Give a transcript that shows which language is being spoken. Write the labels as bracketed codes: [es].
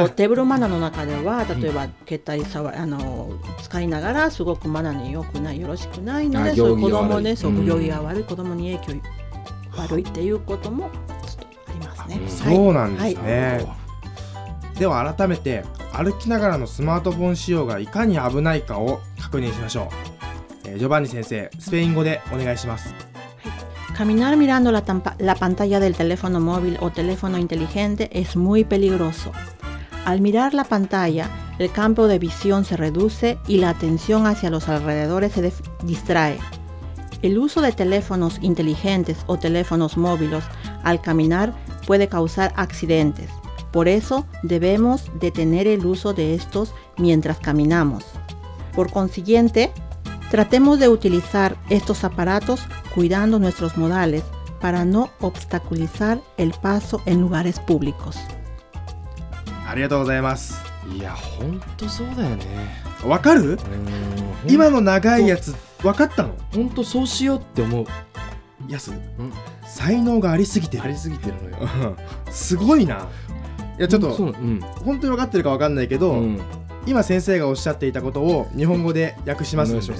[ja] あとテーブルマナーの中では、例えば携帯さわ、使いながらすごくマナーに良くない、よろしくないので、そういう子供ね、そう、行儀が悪い子供に影響悪いっていうこともちょっとありますね。はい、そうなんですね。はい、では改めて歩きながらのスマートフォン使用がいかに危ないかを確認しましょう。ジョバンニ先生、スペイン語でお願いします。 [es] Caminar mirando la pantalla del teléfono móvil o teléfono inteligente es muy peligroso. Al mirar la pantalla, el campo de visión se reduce y la atención hacia los alrededores se distrae. El uso de teléfonos inteligentes o teléfonos móviles al caminar puede causar accidentes. Por eso debemos detener el uso de estos mientras caminamos. Por consiguiente, tratemos de utilizar estos aparatos cuidando nuestros modales para no obstaculizar el paso en lugares públicos. [ja] ありがとうございます。いや、本当そうだよね。わかる？今の長いやつ、わかったの？本当そうしようって思う。ヤス、才能がありすぎてる。ありすぎてるのよ。すごいな。いやちょっと、本当に分かってるか分かんないけど、今先生がおっしゃっていたことを日本語で訳しますので、